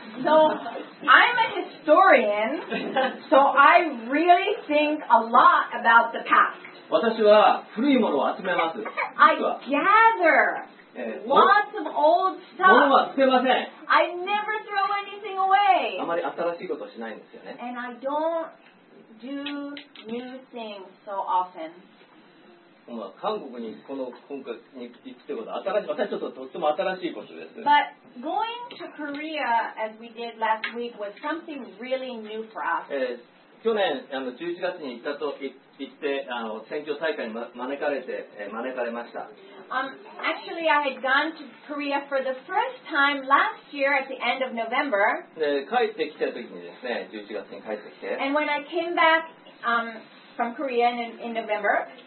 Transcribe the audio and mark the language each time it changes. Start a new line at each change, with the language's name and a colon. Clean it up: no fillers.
English: So I'm a historian, so I really think a lot about the past.
Japanese: 私は古いものを集めます。
English: I gather lots of old stuff.
Japanese: 物は捨てません。
English: I never throw anything away.
Japanese: あまり新しいことはしないんですよね。
English: And I don't do new things so often.
Japanese: まあ、韓国にこの今回に行くってことは新しい、私はちょっととっても新しいことです。
English: But going to Korea as we did last week was something really new for us.
Japanese: 去年11月に行って選挙大会に招かれました。
English: Actually, I had gone to Korea for the first time last year at the end of November.
Japanese: 帰ってきた時にですね、11月に帰ってきて。
English: And when I came back from Korea in November.